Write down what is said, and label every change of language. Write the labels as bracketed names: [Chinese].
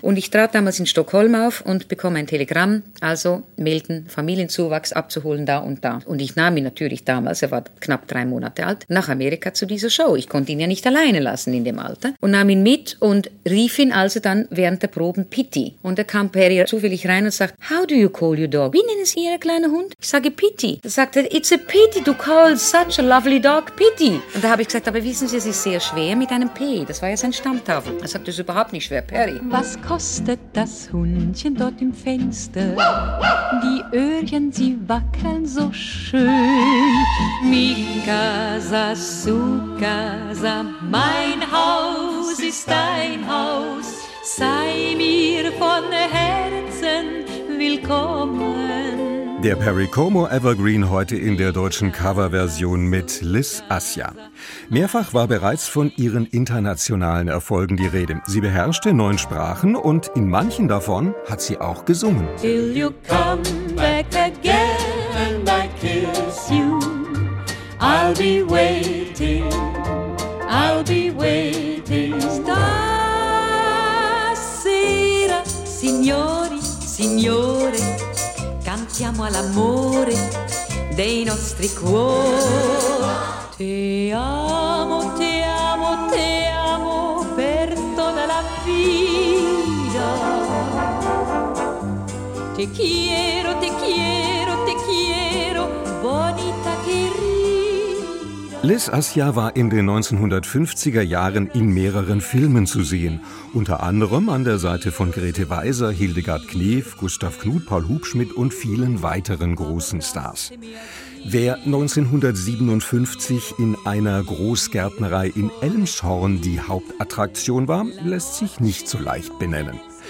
[German] Und ich trat damals in Stockholm auf und bekomme ein Telegramm, also melden, Familienzuwachs abzuholen da und da. Und ich nahm ihn natürlich damals, er war knapp 3 Monate alt, nach Amerika zu dieser Show. Ich konnte ihn ja nicht alleine lassen in dem Alter. Und nahm ihn mit und rief ihn also dann während der Proben Pitty. Und da kam Perry zufällig rein und sagt, [English] how do you call your dog? [German] Wie nennen Sie Ihren kleinen Hund? Ich sage Pitty. Da sagt er, [English] it's a pity to call such a lovely dog Pitty. [German] Und da habe ich gesagt, aber wissen Sie, es ist sehr schwer mit einem P. Das war ja sein Stammtafel. Er sagt, das ist überhaupt nicht schwer, Perry. Was kostet das? Das Hundchen dort im Fenster, die Öhrchen, sie wackeln so schön. [Spanish] Mikasa, Sukasa, [German] mein Haus ist dein Haus, sei mir von Herzen willkommen. Der Perry Como Evergreen heute in der deutschen Coverversion mit Liz Asja. Mehrfach war bereits von ihren internationalen Erfolgen die Rede. Sie beherrschte 9 Sprachen und in manchen davon hat sie auch gesungen. [English] Till you come back again and I kiss you, I'll be waiting. waiting, I'll be waiting. [Italian] Stasera, signori, signore, cantiamo all'amore dei nostri cuori. Te amo, te amo, te amo per tutta la vita. [Spanish] Te quiero, te quiero, te quiero, bonita querida. [German] Liz Asia war in den 1950er Jahren in mehreren Filmen zu sehen. Unter anderem an der Seite von Grete Weiser, Hildegard Knef, Gustav Knut, Paul Hubschmidt und vielen weiteren großen Stars. Wer 1957 in einer Großgärtnerei in Elmshorn die Hauptattraktion war, lässt sich nicht so leicht benennen.